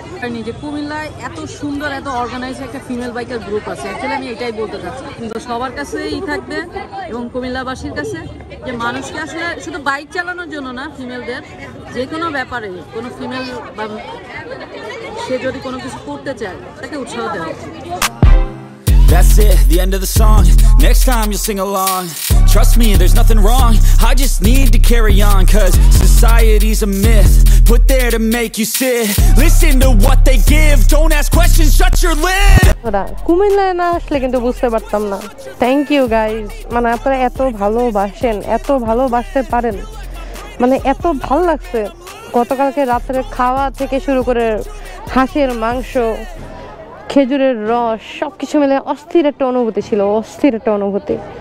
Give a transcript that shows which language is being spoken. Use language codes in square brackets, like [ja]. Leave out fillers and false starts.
[bn] জানি যে কুমিল্লায় এত সুন্দর এত অর্গানাইজ একটা ফিমেল বাইকার গ্রুপ আছে, অ্যাকচুয়ালি আমি এটাই বলতে চাচ্ছি, কিন্তু সবার কাছেই থাকবে এবং কুমিল্লাবাসীর কাছে, যে মানুষকে আসলে শুধু বাইক চালানোর জন্য না, ফিমেলদের যে কোনো ব্যাপারে, কোনো ফিমেল বা সে যদি কোনো কিছু করতে চায় তাকে উৎসাহ দেওয়া উচিত। [en] That's it, the end of the song. Next time you'll sing along. Trust me, there's nothing wrong. I just need to carry on, 'cause society's a myth put there to make you sit. Listen to what they give. Don't ask questions, shut your lid. [bn] Comilla না আসলে কিন্তু বুঝতে পারতাম না। [en] thank you guys, [bn] মানে আপনারা এত ভালোবাসেন, এত ভালোবাসতে পারেন, মানে এত ভালো লাগছে। গতকালকে রাতের খাওয়া থেকে শুরু করে হাঁসের মাংস, খেজুরের রস, সব কিছু মিলে অস্থির একটা অনুভূতি ছিল, অস্থির একটা অনুভূতি।